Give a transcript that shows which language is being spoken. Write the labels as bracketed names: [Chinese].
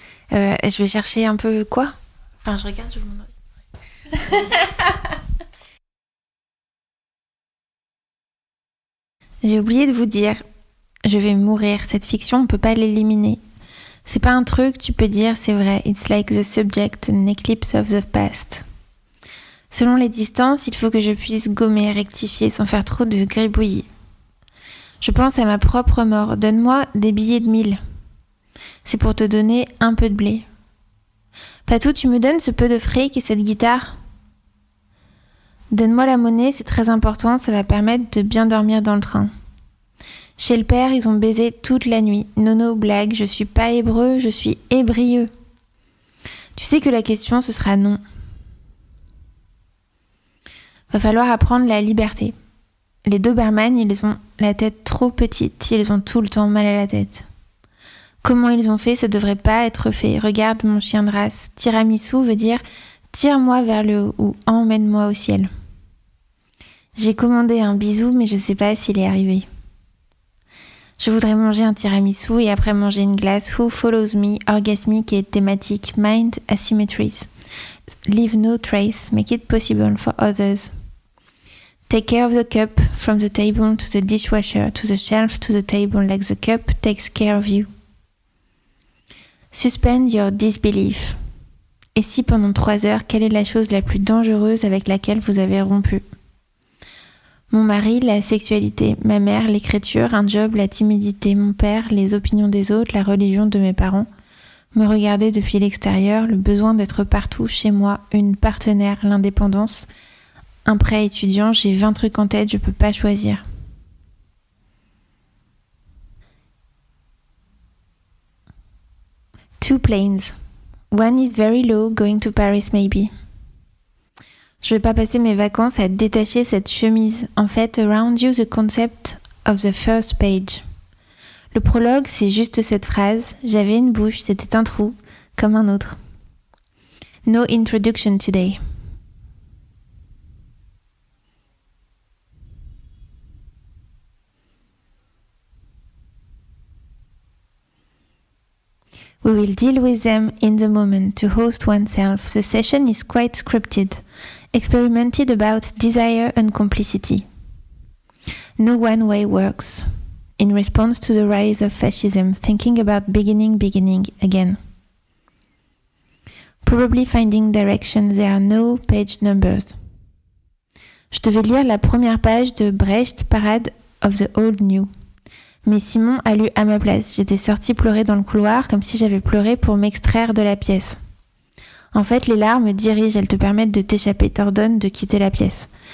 [French] Je vais chercher un peu quoi ? Enfin, je regarde, je vous demande. J'ai oublié de vous dire, je vais mourir. Cette fiction, on ne peut pas l'éliminer. C'est pas un truc, tu peux dire, c'est vrai. [English] It's like the subject, an eclipse of the past. [French] Selon les distances, il faut que je puisse gommer, rectifier, sans faire trop de gribouillis. Je pense à ma propre mort. Donne-moi des billets de 1000. C'est pour te donner un peu de blé. Patou, tu me donnes ce peu de fric et cette guitare? Donne-moi la monnaie, c'est très important, ça va permettre de bien dormir dans le train. Chez le père, ils ont baisé toute la nuit. Nono, blague, je suis pas hébreu, je suis hébrieux. Tu sais que la question, ce sera non. Va falloir apprendre la liberté. Les Doberman, ils ont la tête trop petite, ils ont tout le temps mal à la tête. Comment ils ont fait, ça devrait pas être fait. Regarde mon chien de race. Tiramisu veut dire tire-moi vers le haut ou emmène-moi au ciel. J'ai commandé un bisou, mais je sais pas s'il est arrivé. Je voudrais manger un tiramisu et après manger une glace. [English] Who follows me, orgasmic [French] et thématique. [English] Mind asymmetries. Leave no trace, make it possible for others. Take care of the cup, from the table to the dishwasher, to the shelf, to the table, like the cup takes care of you. Suspend your disbelief. [French] Et si pendant 3 heures, quelle est la chose la plus dangereuse avec laquelle vous avez rompu? Mon mari, la sexualité, ma mère, l'écriture, un job, la timidité, mon père, les opinions des autres, la religion de mes parents. Me regarder depuis l'extérieur, le besoin d'être partout, chez moi, une partenaire, l'indépendance. Un prêt étudiant, j'ai 20 trucs en tête, je peux pas choisir. [English] Two planes. One is very low, going to Paris maybe. [French] Je vais pas passer mes vacances à détacher cette chemise. En fait, [English] around you the concept of the first page. [French] Le prologue, c'est juste cette phrase. J'avais une bouche, c'était un trou, comme un autre. [English] No introduction today. We will deal with them in the moment to host oneself. The session is quite scripted. Experimented about desire and complicity. No one way works. In response to the rise of fascism, thinking about beginning again. Probably finding direction, there are no page numbers. [French] Je devais lire la première page de Brecht, Parade of the Old New. Mais Simon a lu à ma place. J'étais sortie pleurer dans le couloir comme si j'avais pleuré pour m'extraire de la pièce. En fait, les larmes dirigent, elles te permettent de t'échapper, t'ordonnent de quitter la pièce.